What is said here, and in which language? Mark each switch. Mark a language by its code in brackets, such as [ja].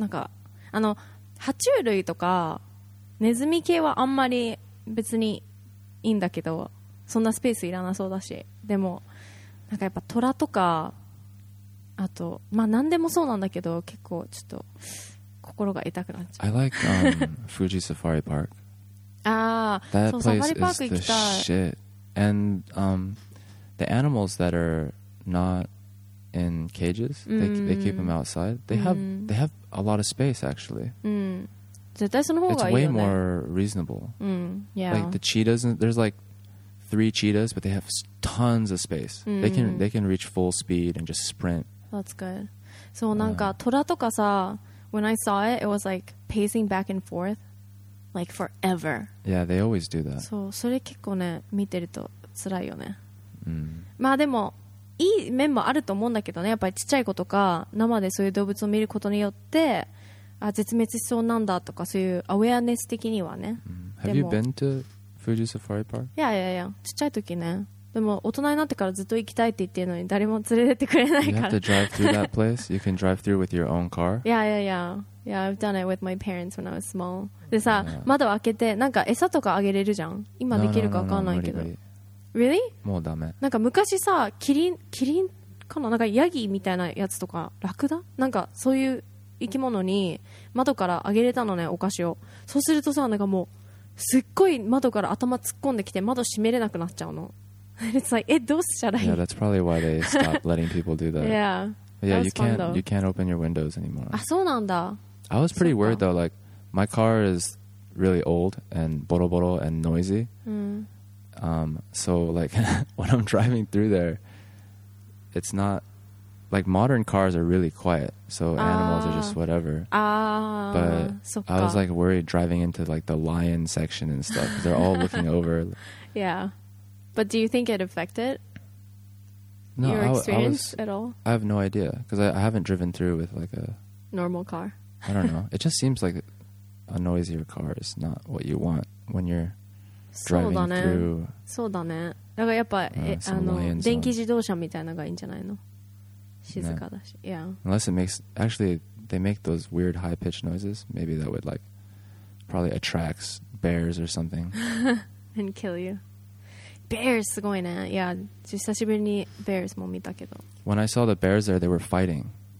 [ja] なんかあの爬虫類とかネズミ系はあんまり別にいいんだけど、そんなスペースいらなそうだし。でもなんかやっぱトラとか。あと、まあ何でもそうなんだけど、結構ちょっと心が痛くなっちゃう。 [en] I like Fuji Safari Park. ああ、 [ja] そう、サファリパーク行きたい。 [en] Shit. And the animals that are not in cages, they keep them outside. They have a lot of space actually. [ja] うん、絶対その方がいいよ [en] ね。It's way more reasonable. うん、yeah. Like the cheetahs, there's like three cheetahs, but they have tons of space. They can reach full speed and just sprint. That's good. So, [ja] なんかトラとかさ、 [en] when I saw it, it was like pacing back and forth, like forever. Yeah, they always do that. [ja] そう、それ結構ね、見てると辛いよね。 Mm. まあでも、いい面もあると思うんだけどね、やっぱりちっちゃい子とか、生でそういう動物を見ることによって、あ、絶滅しそうなんだとか、そういうアウェアネス的にはね。 [en] Mm. Have you been to Fuji Safari Park? [ja] Yeah, yeah, yeah. ちっちゃい時ね。でも大人になってからずっと行きたいって言ってるのに誰も連れてってくれないから。 [en] You have to drive through that place. You can drive through with your own car. Yeah, yeah, yeah. Yeah, I've done it with my parents when I was small. [ja] でさ、yeah. 窓開けてなんか餌とかあげれるじゃん。今できるか分かんないけど。 [en] Really? [ja] もうダメ。なんか昔さ、キリンかな、なんかヤギみたいなやつとかラクダ？なんかそういう生き物に窓からあげれたのね、お菓子を。そうするとさ、なんかもうすっごい窓から頭突っ込んできて窓閉めれなくなっちゃうの。 [en] It's like, [ja] どうしたらいい? [en] Yeah, that's probably why they stopped letting people do that. Yeah, but yeah, you can't open your windows anymore. [ja] あ、そうなんだ。 [en] I was pretty worried though, like, my car is really old and boro boro and noisy. So, like, when I'm driving through there, it's not, like, modern cars are really quiet, so animals are just whatever. But I was, like, worried driving into, like, the lion section and stuff, because they're all looking over. Yeah. But do you think it affected no, your experience I was, at all? I have no idea because I haven't driven through with like a normal car. I don't know. It just seems like a noisier car is not what you want when you're driving through. [ja] そうだね。だからやっぱ、あの、電気自動車みたいなのがいいんじゃないの？静かだし。Yeah. [en] Unless it makes, actually, they make those weird high-pitched noises. Maybe that would like, probably attracts bears or something. And kill you. [ja] Bears, すごいね。いや、久しぶりに bears も見たけど。 [en] When I saw the bears there, they were fighting.